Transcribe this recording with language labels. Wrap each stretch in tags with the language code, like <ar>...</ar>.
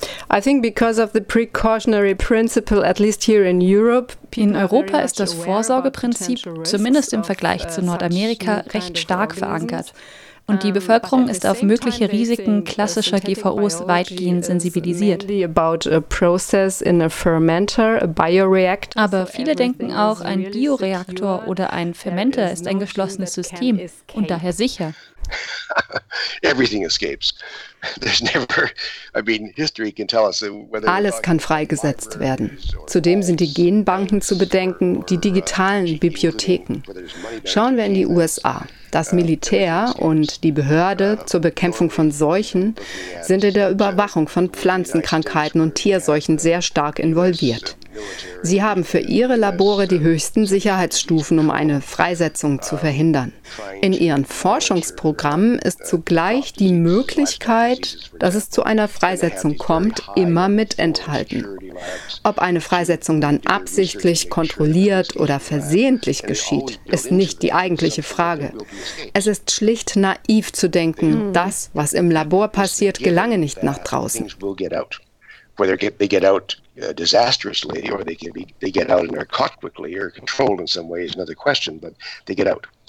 <en>I think because of the precautionary principle, at least here in Europe,</en> <de>in Europa ist das Vorsorgeprinzip, zumindest im Vergleich zu Nordamerika, recht stark verankert. Und die Bevölkerung ist auf mögliche Risiken klassischer GVOs weitgehend sensibilisiert. Aber viele denken auch, ein Bioreaktor oder ein Fermenter ist ein geschlossenes System und daher sicher.</de> <en>Everything escapes. There's never, I mean, history can tell us whether</en> <de>alles kann freigesetzt werden. Zudem sind die Genbanken zu bedenken, die digitalen Bibliotheken. Schauen wir in die USA. Das Militär und die Behörde zur Bekämpfung von Seuchen sind in der Überwachung von Pflanzenkrankheiten und Tierseuchen sehr stark involviert. Sie haben für ihre Labore die höchsten Sicherheitsstufen, um eine Freisetzung zu verhindern. In ihren Forschungsprogrammen ist zugleich die Möglichkeit, dass es zu einer Freisetzung kommt, immer mit enthalten. Ob eine Freisetzung dann absichtlich, kontrolliert oder versehentlich geschieht, ist nicht die eigentliche Frage. Es ist schlicht naiv zu denken, das, was im Labor passiert, gelange nicht nach draußen.</de> <en>whether they get out disastrously or they get out and are caught quickly or controlled in some way is another question, but they get out.</en>